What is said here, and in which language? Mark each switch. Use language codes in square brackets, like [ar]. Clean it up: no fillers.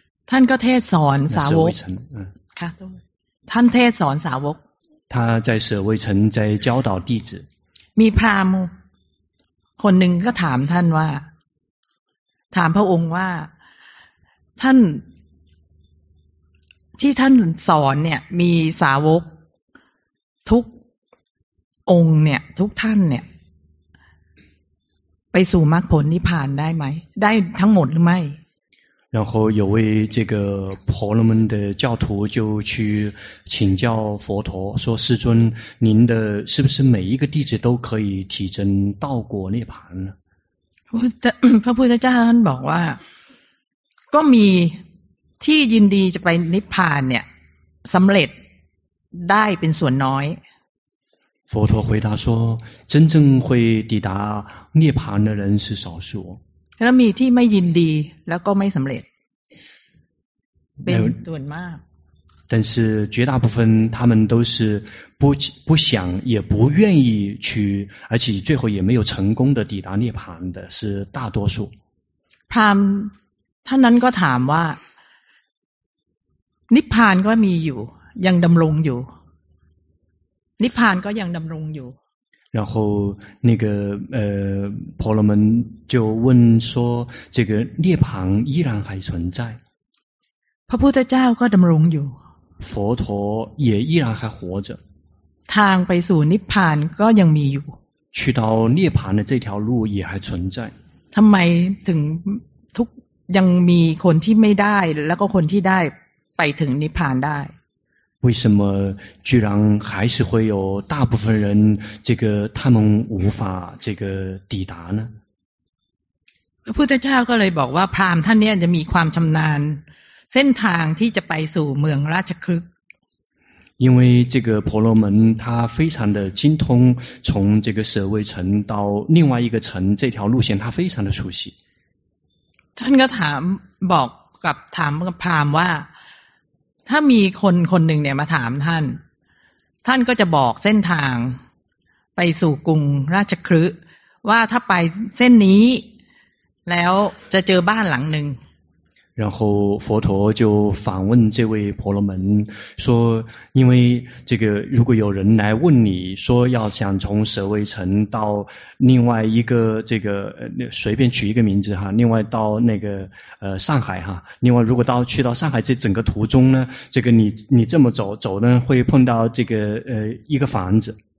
[th] ท่านก็เทศสอนสาวกค่ะท่านเทศสอนสาวก [zh] 他在舍卫城在教导弟子 [th] มีพราหมณ์คนหนึ่งก็ถามท่านว่าถามพระองค์ว่าท่านที่ท่านสอนเนี่ยมีสาวกทุกองค์เนี่ยทุกท่านเนี่ยไปสู่มรรคผลนิพพานได้ไหมได้ทั้งหมดหรือไม่ [zh] 然后有位这个婆罗门的教徒就去请教佛陀说世尊您的是不是每一个弟子都可以提升道果涅槃 [th] พระพุทธเจ้าท่านบอกว่าก็มีที่ยินดีจะไปนิพพานเนี่ยสำเร็จได้เป็นส่วนน้อย [zh] 佛陀回答说真正会抵达涅槃的人是少数 [th] แล้วมีที่ไม่ยินดีแล้วก็ไม่สำเร็จเป็นส่วนมาก [zh] 但是绝大部分他们都是不想也不愿意去，而且最后也没有成功的抵达涅槃的是大多数。 [th] 他นั้นก็ถามว่านิพพานก็มีอยู่ยังดำรงอยู่นิพพานก็ยังดำรงอยู่ [zh] 然后那个婆罗门就问说这个涅槃依然还存在 [th] พระพุทธเจ้าก็ดำรงอยู่ [zh] 佛陀也依然还活着 [th] ทางไปสู่นิพพานก็ยังมีอยู่ [zh] 去到涅槃的这条路也还存在 [th] ทำไมถึงทุกยังมีคนที่ไม่ได้แล้วก็คนที่ได้ไปถึงนิพพานได้ [zh] 为什么居然还是会有大部分人这个他们无法这个抵达呢 [th] พระพุทธเจ้าก็เลยบอกว่าพราหมณ์ท่านเนี่ยจะมีความชำนาญเส้นทางที่จะไปสู่เมืองราชคฤห์ [zh] 因为这个婆罗门他非常的精通从这个舍卫城到另外一个城这条路线他非常的熟悉 [th] ท่านก็ถามบอกกับถามกับพราหมณ์ว่าถ้ามีคนคนหนึ่งเนี่ยมาถามท่านท่านก็จะบอกเส้นทางไปสู่กรุงราชคฤห์ว่าถ้าไปเส้นนี้แล้วจะเจอบ้านหลังหนึ่ง [zh] 然后佛陀就反问这位婆罗门说因为这个如果有人来问你说要想从舍卫城到另外一个这个随便取一个名字哈另外到那个上海哈另外如果到去到上海这整个途中呢这个你这么走呢会碰到这个一个房子